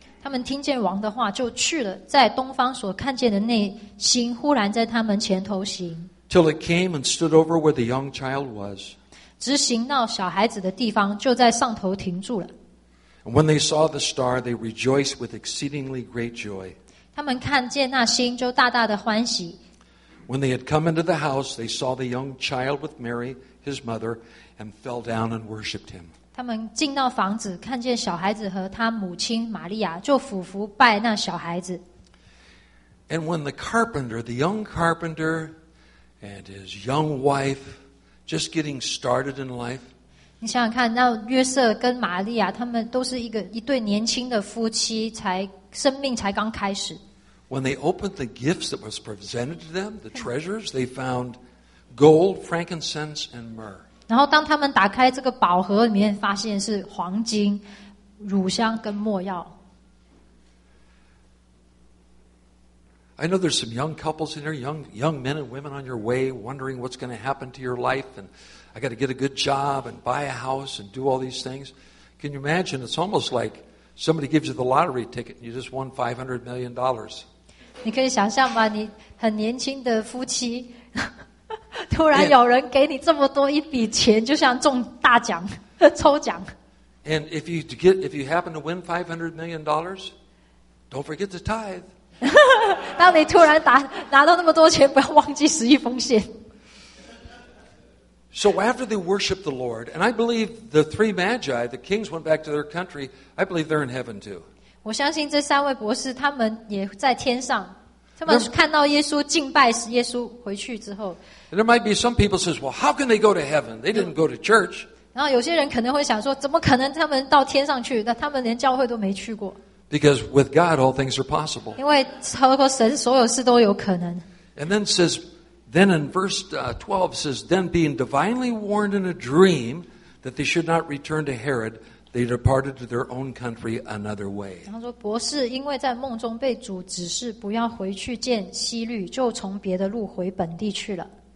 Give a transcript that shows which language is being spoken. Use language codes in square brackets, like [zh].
[zh] 他们听见王的话就去了，在东方所看见的那星忽然在他们前头行。 [en] Till it came and stood over where the young child was. [zh] 直行到小孩子的地方，就在上头停住了。 [en] And when they saw the star, they rejoiced with exceedingly great joy. [zh] 他们看见那星就大大的欢喜。 [en] When they had come into the house, they saw the young child with Mary, his mother, and fell down and worshipped him. [zh] 他们进到房子，看见小孩子和他母亲玛利亚，就俯伏拜那小孩子。 [en] And when the carpenter, the young carpenter, and his young wife, just getting started in life, [zh] 你想想看，那约瑟跟玛利亚，他们都是一对年轻的夫妻，才生命才刚开始。 [en] When they opened the gifts that was presented to them, the treasures they found, gold, frankincense, and myrrh. [zh] 然后当他们打开这个宝盒，里面发现是黄金、乳香跟末药。 [en] I know there's some young couples in here, young men and women on your way, wondering what's going to happen to your life and. I got to get a good job and buy a house and do all these things. Can you imagine? It's almost like somebody gives you the lottery ticket and you just won $500 million. [zh] 你可以想象吗？你很年轻的夫妻，突然有人给你这么多一笔钱，就像中大奖、抽奖。 [en] And if you happen to win $500 million, don't forget to tithe. [zh] 当你突然拿到那么多钱，不要忘记十一奉献。 [en] So after they worship the Lord, and I believe the three magi, the kings went back to their country, I believe they're in heaven too. [zh] 我相信这三位博士他们也在天上。他们看到耶稣敬拜耶稣回去之后。 [en] And there might be some people says, well, how can they go to heaven? They didn't go to church. [zh] 然后有些人可能会想说怎么可能他们到天上去那他们连教会都没去过。 [en] Because with God, all things are possible. [zh] 因为和神所有事都有可能。 [en] And then says,Then in verse 12 says, Then being divinely warned in a dream that they should not return to Herod, they departed to their own country another way. [zh] 然后说博士因为在梦中被主指示不要回去见希律就从别的路回本地去了。